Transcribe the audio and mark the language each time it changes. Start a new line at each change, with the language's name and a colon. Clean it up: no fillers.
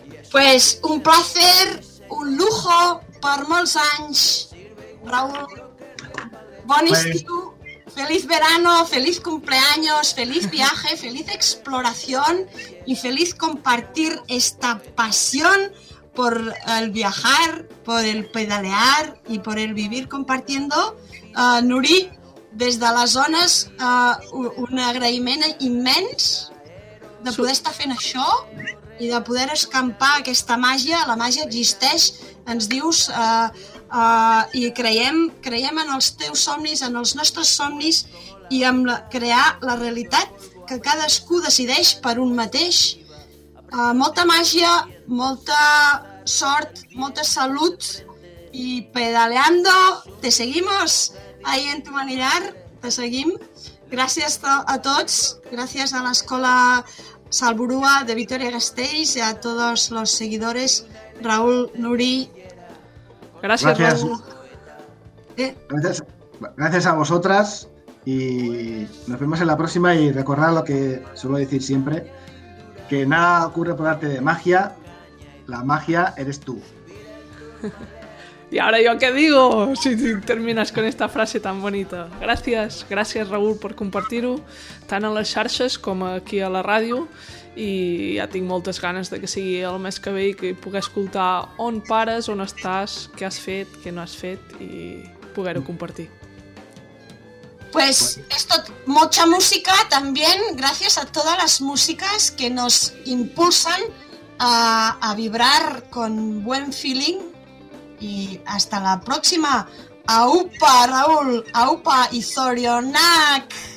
Spanish: Pues un placer, un lujo
Catalan: per molts anys,
Spanish: Raúl. Bon estiu, feliz verano, feliz cumpleaños, feliz viaje, feliz exploración y feliz compartir esta pasión por el viajar, por el pedalear y por el vivir compartiendo.
Catalan: Nuri, des de les zones, un agraïment immens de poder estar fent això i de poder escampar aquesta màgia. La màgia existeix, ens dius, i creiem en els teus somnis, en els nostres somnis i en crear la realitat que cadascú decideix per un mateix. Molta màgia, molta sort, molta salut i pedaleando.
Spanish: Te seguimos ahí en tu manillar,
Catalan: te seguim. Gràcies a tots, gràcies a l'Escola Salburua de Vitoria-Gasteiz i a tots els seguidors, Raúl, Nuri. Gràcies, Raúl.
Spanish: Gràcies a vosotras i nos vemos en la próxima y recordad lo que suelo decir siempre, que nada ocurre por arte de magia. La magia eres tú. ¿Y ahora yo qué digo si terminas con esta frase tan bonita?
Catalan: Gracias, gracias Raúl por compartir-ho tant a les xarxes com aquí a la ràdio i ja tinc moltes ganes de que sigui el mes que ve i que pugui escoltar on pares, on estàs, què has fet, què no has fet i poder-ho compartir.
Spanish: Pues esto, mucha música también, gracias a todas las músicas que nos impulsan a vibrar con buen feeling y hasta la próxima. ¡Aupa, Raúl! ¡Aupa y Zorionak!